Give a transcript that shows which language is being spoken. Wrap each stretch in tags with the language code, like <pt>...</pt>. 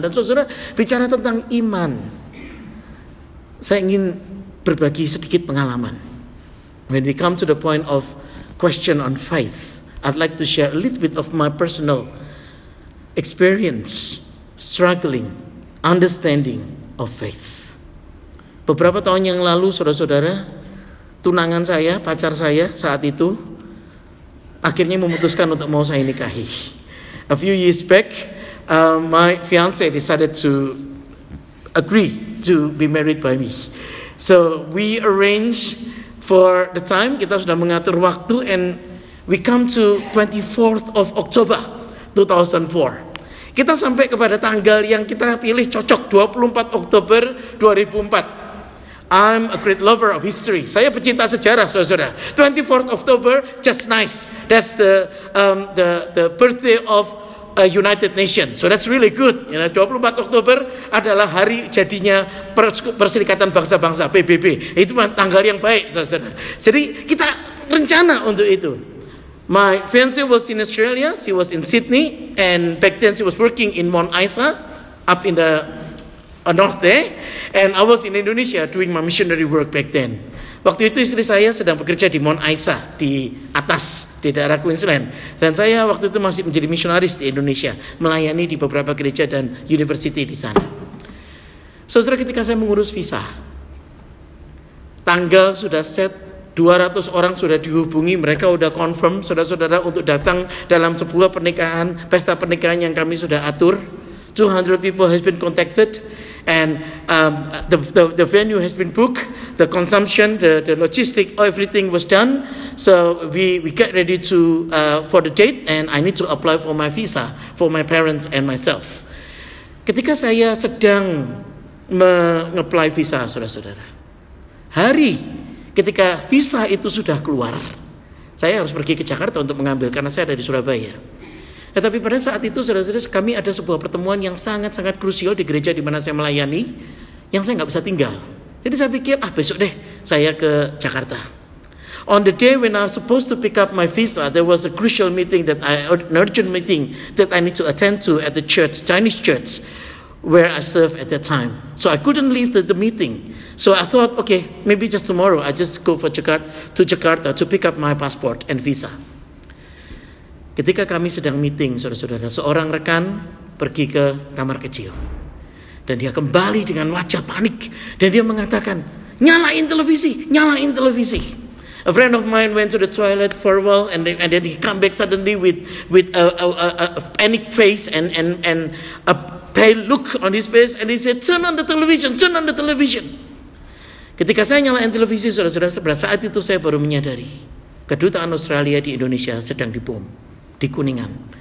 <id>Dan saudara, bicara tentang iman, saya ingin berbagi sedikit pengalaman.</id> <en>When we come to the point of question on faith, I'd like to share a little bit of my personal experience struggling understanding of faith.</en> <id>Beberapa tahun yang lalu, saudara-saudara, tunangan saya, pacar saya saat itu, akhirnya memutuskan untuk mau saya nikahi.</id> <en>A few years back, my fiance decided to agree to be married by me. So we arrange for the time,</en> <id>kita sudah mengatur waktu,</id> <en>and we come to 24th of October 2004.</en> <id>Kita sampai kepada tanggal yang kita pilih cocok, 24 Oktober 2004.</id> <en>I'm a great lover of history.</en> <id>Saya pecinta sejarah, saudara-saudara.</id> <en>24th October, just nice. That's the birthday of a United Nations. So that's really good. You know,</en> <id>24 Oktober adalah hari jadinya Perserikatan Bangsa-Bangsa, PBB. Itu tanggal yang baik, saudara-saudara. Jadi kita rencana untuk itu.</id> <en>My fiance was in Australia. She was in Sydney. And back then she was working in Mount Isa, up in the north there. And I was in Indonesia doing my missionary work back then.</en> <id>Waktu itu istri saya sedang bekerja di Mount Isa, di atas, di daerah Queensland. Dan saya waktu itu masih menjadi misionaris di Indonesia, melayani di beberapa gereja dan university di sana. Saudara, ketika saya mengurus visa, tanggal sudah set, 200 orang sudah dihubungi, mereka sudah confirm, saudara-saudara, untuk datang dalam sebuah pernikahan, pesta pernikahan yang kami sudah atur.</id> <en>200 people has been contacted. And the venue has been booked, the consumption, the logistic, everything was done. So we get ready to for the date, and I need to apply for my visa for my parents and myself.</en> <id>Ketika saya sedang meng-apply visa, saudara-saudara, hari ketika visa itu sudah keluar, saya harus pergi ke Jakarta untuk mengambil karena saya ada di Surabaya. Tetapi pada saat itu, saudara-saudara, kami ada sebuah pertemuan yang sangat-sangat krusial di gereja di mana saya melayani, yang saya gak bisa tinggal. Jadi saya pikir, besok deh saya ke Jakarta.</id> <en>On the day when I was supposed to pick up my visa, there was a crucial meeting, an urgent meeting that I need to attend to at the church, Chinese church. where I served at that time. So I couldn't leave the meeting. So I thought, okay, maybe just tomorrow, I just go to Jakarta to pick up my passport and visa.</en> <id>Ketika kami sedang meeting, saudara-saudara, seorang rekan pergi ke kamar kecil. Dan dia kembali dengan wajah panik. Dan dia mengatakan, nyalain televisi, nyalain televisi.</id> <en>A friend of mine went to the toilet for a while, and then he come back suddenly with a panic face and a pale look on his face, and he said, turn on the television, turn on the television.</en> <id>Ketika saya nyalain televisi, saudara-saudara, pada saat itu saya baru menyadari kedutaan Australia di Indonesia sedang dibom di Kuningan.</id>